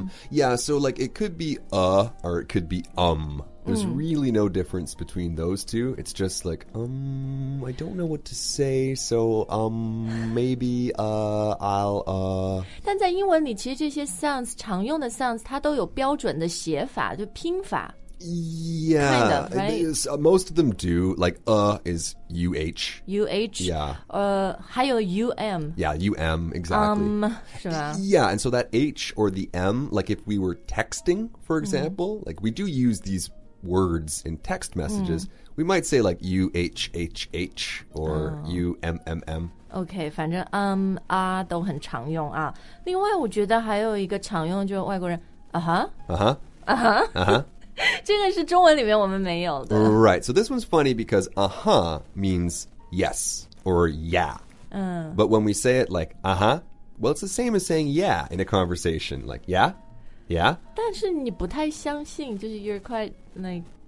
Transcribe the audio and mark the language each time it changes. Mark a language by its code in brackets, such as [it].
[en] Yeah, so like it could be or it could be There's really no difference between those two. It's just like, I don't know what to say, so, maybe, I'll, [zh] 但在英文里其实这些 sounds, 常用的 sounds, 它都有标准的写法,就拼法。 [en] Yeah, kind of, right? Most of them do, like, is U-H. U-H? Yeah. [zh] 还有 U-M. [en] Yeah, U-M, exactly. [zh] 是吧? [en] Yeah, and so that H or the M, like if we were texting, for example,、like we do use these... words in text messages,、we might say like U-H-H-H or、U-M-M-M. [zh] Okay, 反正都很常用啊。另外我觉得还有一个常用就是外国人 这个是中文里面我们没有的。 [en] Right, so this one's funny because uh-huh means yes or yeah.、But when we say it like uh-huh, well, it's the same as saying yeah in a conversation, like yeah? Yeah? [zh] 但是你不太相信就是 [en] you're quite like,